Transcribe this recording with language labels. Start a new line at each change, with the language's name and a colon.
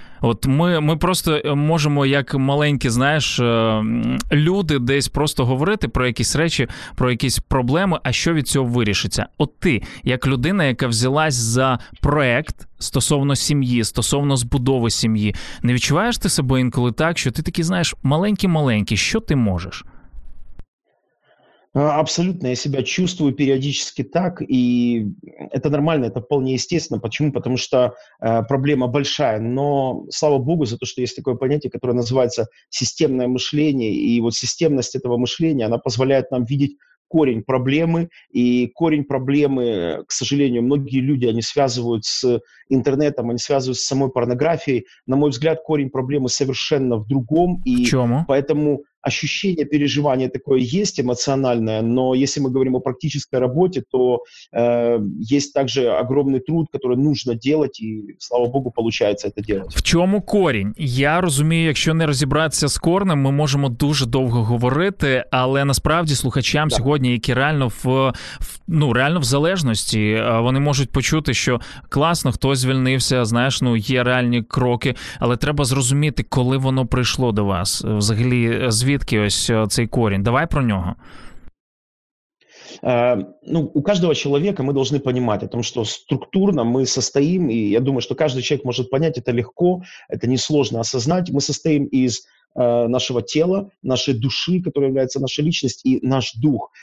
Ukrainian: От ми просто можемо, як маленькі, знаєш, люди десь просто говорити про якісь речі, про якісь проблеми, а що від цього вирішиться? От ти, як людина, яка взялась за проект стосовно сім'ї, стосовно збудови сім'ї, не відчуваєш ти себе інколи так, що ти такий, знаєш, маленький-маленький, що ти можеш?
Russian: Абсолютно, я себя чувствую периодически так, и это нормально, это вполне естественно. Почему? Потому что проблема большая, но слава богу за то, что есть такое понятие, которое называется системное мышление, и вот системность этого мышления, она позволяет нам видеть корень проблемы, и корень проблемы, к сожалению, многие люди, они связывают с интернетом, они связывают с самой порнографией. На мой взгляд, корень проблемы совершенно в другом. И в чем? Поэтому ощущение, переживание такое есть эмоциональное, но если мы говорим о практической работе, то есть также огромный труд, который нужно делать, и, слава богу, получается это делать.
Ukrainian: В чому корінь? Я розумію, якщо не розібратися з корнем, ми можемо дуже довго говорити, але насправді слухачам сьогодні, які реально в залежності, вони можуть почути, що класно, хтось звільнився, знаєш, ну, є реальні кроки, але треба зрозуміти, коли воно прийшло до вас, взагалі, звідки ось цей корінь? Давай про нього.
Russian: Ну, у каждого человека мы должны понимать о том, что структурно мы состоим, и я думаю, что каждый человек может понять, это легко, это несложно осознать, мы состоим из нашего тела, нашей души, которая является нашей личностью, и наш дух.